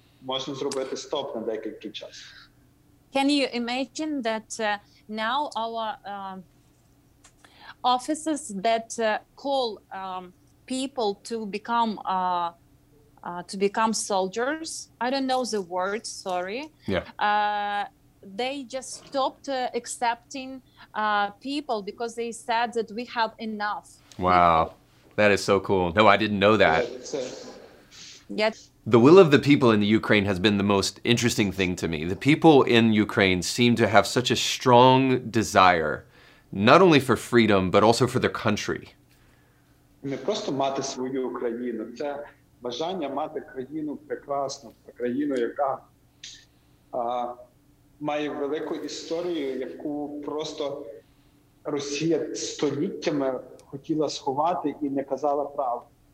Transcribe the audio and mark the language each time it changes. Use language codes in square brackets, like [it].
[uk] Можна зробити стоп на деякий час. [en] Can you imagine that now our offices that call people to become soldiers, I don't know the word, sorry. Yeah. They just stopped accepting people because they said that we have enough. Wow, people. That is so cool. No, I didn't know that. Yeah. The will of the people in the Ukraine has been the most interesting thing to me. The people in Ukraine seem to have such a strong desire, not only for freedom, but also for their country. [uk] Не просто мати свою Україну, це бажання мати країну прекрасну, країну, яка має велику історію, яку просто Росія століттями хотіла сховати і не казала правду.